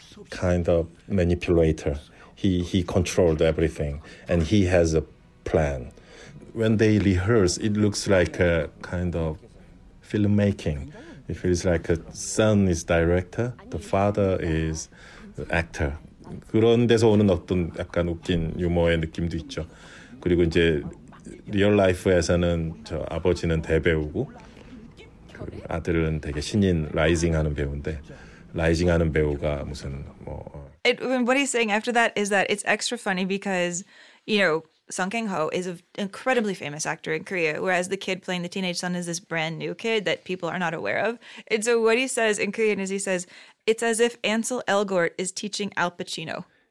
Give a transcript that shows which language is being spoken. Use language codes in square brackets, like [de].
[en] Kind of manipulator. He controlled everything and he has a plan. When they rehearse, it looks like a kind of filmmaking. It feels like a son is director, the father is the actor. [ko] 그런 데서 오는 어떤 약간 웃긴 유머의 느낌도 있죠. 그리고 이제 리얼 라이프에서는 저 아버지는 대배우고 그 아들은 되게 신인 라이징 하는 배우인데 라이징 하는 배우가 무슨 뭐 [en] It, what he's saying after that is that it's extra funny because, you know, Sung Kang-ho is an incredibly famous actor in Korea, whereas the kid playing the teenage son is this brand new kid that people are not aware of. And so what he says in Korean is, he says, it's as if Ansel Elgort is teaching Al Pacino.